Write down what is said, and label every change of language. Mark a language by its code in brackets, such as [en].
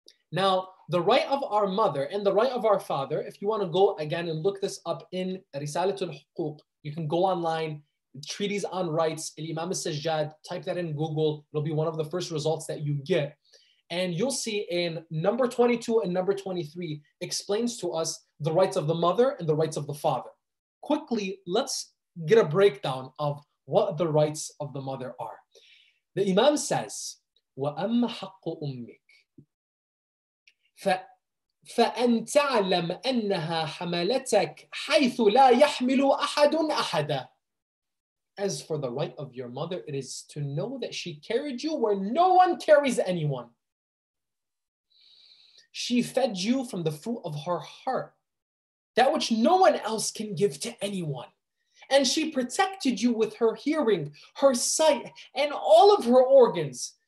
[en] Now, the right of our mother and the right of our father, if you want to go again and look this up in Risalatul Huquq, you can go online, Treatise on Rights, Imam Sajjad, type that in Google, it'll be one of the first results that you get. And you'll see in number 22 and number 23 explains to us the rights of the mother and the rights of the father. Quickly, let's get a breakdown of what the rights of the mother are. [ar] The Imam says, وَأَمَّ حَقُّ أُمِّكَ فَأَنْ تَعْلَمْ أَنَّهَا حَمَلَتَكَ حَيْثُ لَا يَحْمِلُ أَحَدٌ أَحَدًا. [en] As for the right of your mother, it is to know that she carried you where no one carries anyone. She fed you from the fruit of her heart, that which no one else can give to anyone. And she protected you with her hearing, her sight, and all of her organs.